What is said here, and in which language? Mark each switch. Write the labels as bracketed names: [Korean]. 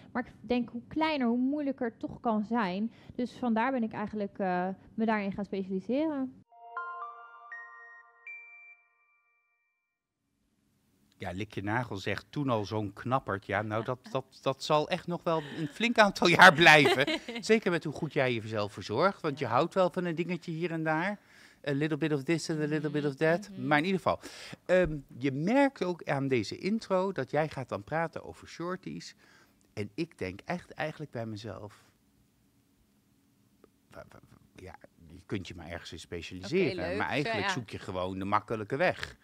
[Dutch] Maar ik denk, hoe kleiner, hoe moeilijker het toch kan zijn. Dus vandaar ben ik eigenlijk me daarin gaan specialiseren. Ja, lik je nagel zegt toen al zo'n knappert. Ja, nou, dat zal echt nog wel een flink aantal jaar blijven. Zeker met hoe goed jij jezelf verzorgt. Want je houdt wel van een dingetje hier en daar. [English] A little bit of this and a little bit of that. Mm-hmm. [Dutch] Maar in ieder geval, je merkt ook aan deze intro dat jij gaat dan praten over shorties. En ik denk echt eigenlijk bij mezelf, ja, je kunt je maar ergens in specialiseren. [English] Okay, [Dutch] maar eigenlijk zoek je gewoon de makkelijke weg.